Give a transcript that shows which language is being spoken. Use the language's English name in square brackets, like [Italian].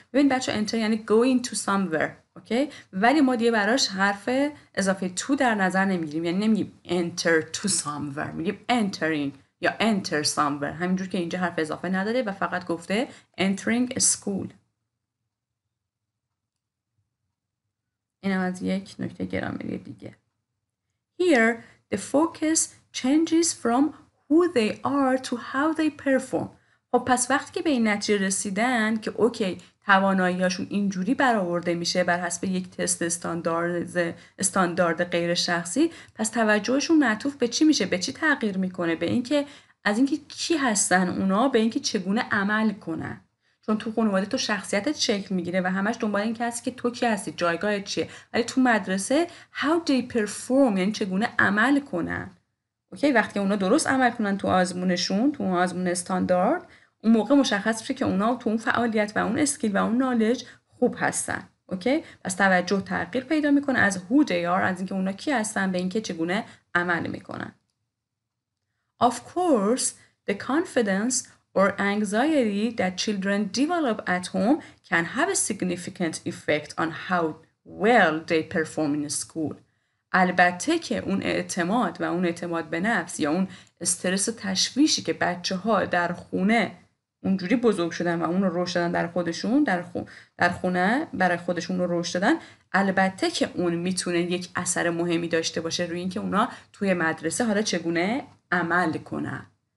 [Persian] ببین بچه enter یعنی [English] going to somewhere، [Persian] اوکی؟ ولی ما دیگه براش حرف اضافه to در نظر نمیگیریم، یعنی نمیگیم [English] enter to somewhere، [Persian] میگیم entering یا enter somewhere، همینجور که اینجا حرف اضافه نداره و فقط گفته [English] entering a school. [Persian] اینم از یک نکته گرامری دیگه. [English] Here the focus changes from who they are to how they perform. [Persian] خب پس وقتی که به این نتیجه رسیدن که اوکی توانایی هاشون اینجوری برآورده میشه بر حسب یک تست استاندارد غیر شخصی، پس توجهشون معطوف به چی میشه؟ به چی تغییر میکنه؟ به اینکه از اینکه کی هستن اونا به اینکه چگونه عمل کنن. چون تو خانواده تو شخصیتت شکل میگیره و همش دنبال این که هستی که تو کی هستی، جایگاهت چیه، ولی تو مدرسه [English] how they perform [Persian] یعنی چگونه عمل کنن. اوکی وقتی اونا درست عمل کنن تو آزمونشون، تو آزمون استاندارد، اون موقع مشخص میشه که اونا تو اون فعالیت و اون اسکیل و اون نالج خوب هستن. اوکی پس توجه تغییر پیدا میکنه از [English] who they are، [Persian] از اینکه اونا کی هستن، به اینکه چگونه عمل میکنن. [English] Of course the confidence or anxiety that children develop at home can have a significant effect on how well they perform in school. [Persian] البته که اون اعتماد و اون اعتماد به نفس یا اون استرس و تشویشی که بچه ها در خونه اونجوری بزرگ شدن و اون رو روش دادن در خودشون، در خونه برای خودشون رو روش دادن، البته که اون میتونه یک اثر مهمی داشته باشه روی این که اونا توی مدرسه حالا چگونه عمل کنن.